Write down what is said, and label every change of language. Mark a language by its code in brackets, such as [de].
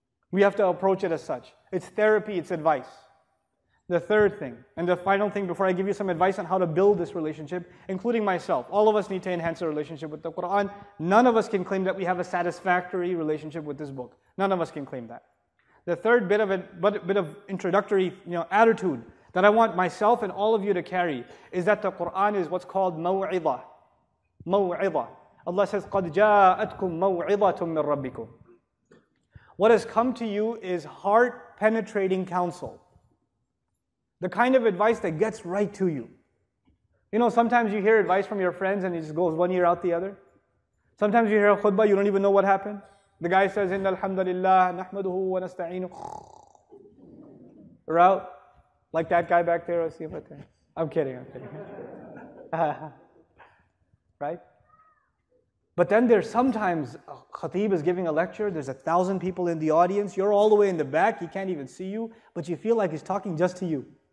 [en] We have to approach it as such. It's therapy, it's advice. The third thing, and the final thing before I give you some advice on how to build this relationship, including myself, all of us need to enhance a relationship with the Quran. None of us can claim that we have a satisfactory relationship with this book. None of us can claim that. The third bit of introductory, attitude that I want myself and all of you to carry is that the Quran is what's called maw'idah. [ar] Maw'idah. [en] Allah says, [ar] قَدْ جَاءَتْكُمْ مَوْعِضَةٌ مِّن رَبِّكُمْ. [en] What has come to you is heart-penetrating counsel. The kind of advice that gets right to you. You know, sometimes you hear advice from your friends and it just goes one ear out the other. Sometimes you hear a khutbah, you don't even know what happened. The guy says, [ar] إِنَّ الْحَمْدَ لِلَّهِ نَحْمَدُهُ وَنَسْتَعِينُ. [en] We're out. Like that guy back there. I'm kidding. Right? But then there's sometimes a khatib is giving a lecture, there's 1,000 people in the audience, you're all the way in the back, he can't even see you, but you feel like he's talking just to you.